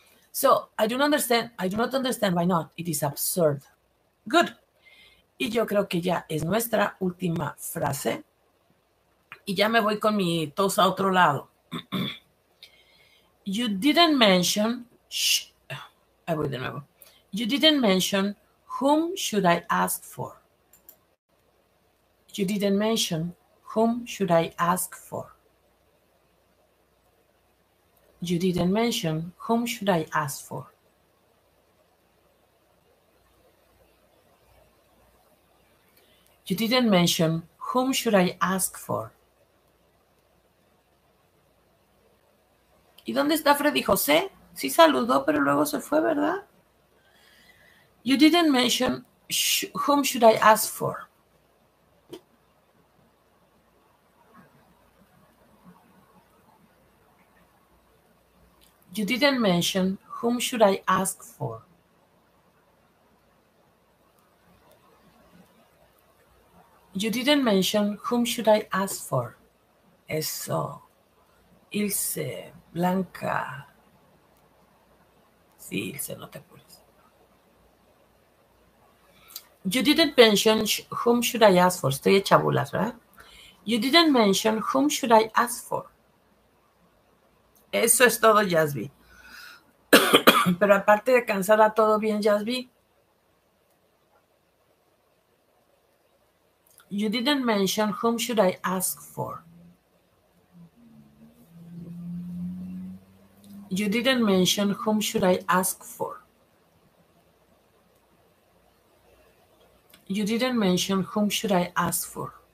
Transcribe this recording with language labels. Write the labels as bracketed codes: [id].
[en] So, I do not understand why not. It is absurd. Good. [es] Y yo creo que ya es nuestra última frase. Y ya me voy con mi tos a otro lado. [en] You didn't mention, [es] shh, ahí voy de nuevo. [en] You didn't mention whom should I ask for. You didn't mention whom should I ask for. You didn't mention whom should I ask for. You didn't mention whom should I ask for. [es] ¿Y dónde está Freddy José? Sí saludó, pero luego se fue, ¿verdad? [en] You didn't mention sh whom should I ask for. You didn't mention whom should I ask for. You didn't mention whom should I ask for. [es] Eso. Ilse, Blanca. Sí, Ilse, no te apures. [en] You didn't mention whom should I ask for. [es] Estoy hecha bolas, ¿verdad? [en] You didn't mention whom should I ask for. [es] Eso es todo, Yasby. Pero aparte de cansada, ¿todo bien, Yasby? [en] You didn't mention whom should I ask for. You didn't mention whom should I ask for. You didn't mention whom should I ask for.